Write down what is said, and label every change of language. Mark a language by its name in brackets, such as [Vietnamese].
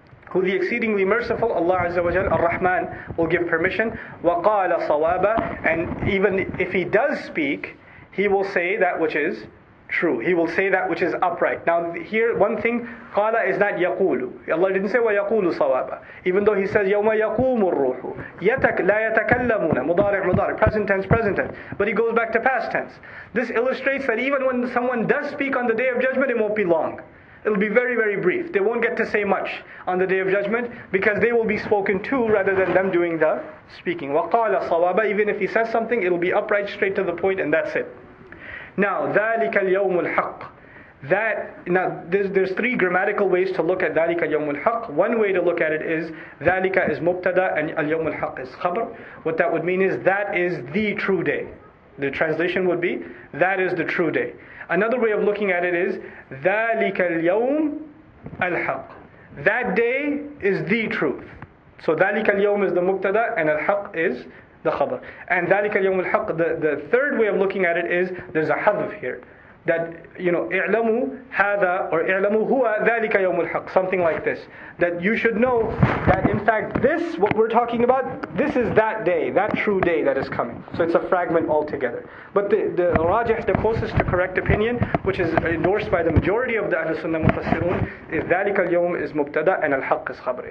[English] Who the exceedingly merciful, Allah Azza wa Jal, Ar-Rahman, will give permission. [Arabic] وَقَالَ صَوَابًا. [English] And even if he does speak, he will say that which is true. He will say that which is upright. Now here, one thing, قَالَ is not يَقُولُ. Allah didn't say [Arabic] وَيَقُولُ صَوَابًا. [English] Even though he says [Arabic] يَوْمَ يَقُومُ الرُّوحُ لَا يَتَكَلَّمُونَ. مُضَارِعُ مُضَارِعُ. [English] Present tense, present tense. But he goes back to past tense. This illustrates that even when someone does speak on the Day of Judgment, it won't be long. It'll be very, very brief. They won't get to say much on the Day of Judgment because they will be spoken to rather than them doing the speaking. [Arabic] وَقَالَ صَوَابًا. [English] Even if he says something, it'll be upright, straight to the point, and that's it. [Arabic] Now, ذَلِكَ الْيَوْمُ الْحَقِّ. [English] That, now, there's three grammatical ways to look at [Arabic] ذَلِكَ الْيَوْمُ الْحَقِّ. [English] One way to look at it is, ذَلِكَ is مُبْتَدَى and الْيَوْمُ الْحَقِّ is خَبْر. What that would mean is, that is the true day. The translation would be, that is the true day. Another way of looking at it is, [Arabic] ذَلِكَ الْيَوْمُ الْحَقِّ. [English] That day is the truth. So, ذَلِكَ الْيَوْمُ is the مُبْتَدَى and الْحَقِّ is the khabar. And [Arabic] ذَلِكَ الْيَوْمُ الْحَقِّ, [English] the third way of looking at it is, there's a hadf here. That, you know, [Arabic] اِعْلَمُوا هَذَا or اِعْلَمُوا هُوَ ذَلِكَ يَوْمُ الْحَقِّ. [English] Something like this. That you should know that in fact this, what we're talking about, this is that day, that true day that is coming. So it's a fragment altogether. But the rajih, the closest to correct opinion, which is endorsed by the majority of the Ahlul Sunnah Mufassirun, is ذَلِكَ الْيَوْمُ is مُبْتَدَى and الْحَقِّ is خَبْر.